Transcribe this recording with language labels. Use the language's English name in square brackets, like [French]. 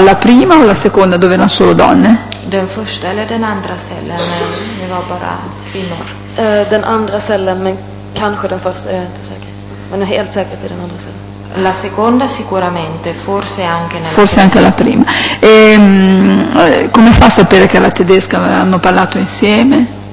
[Italian] La prima o la seconda dove erano solo donne? [Swedish] Den första eller den andra cellen, det var bara kvinnor. Den andra cellen, men kanske den första, jag är inte säker. Men helt säkert i den andra cellen. [Italian] La seconda sicuramente, forse anche nella forse prima. Anche la prima. E, come fa a sapere che la tedesca hanno parlato insieme?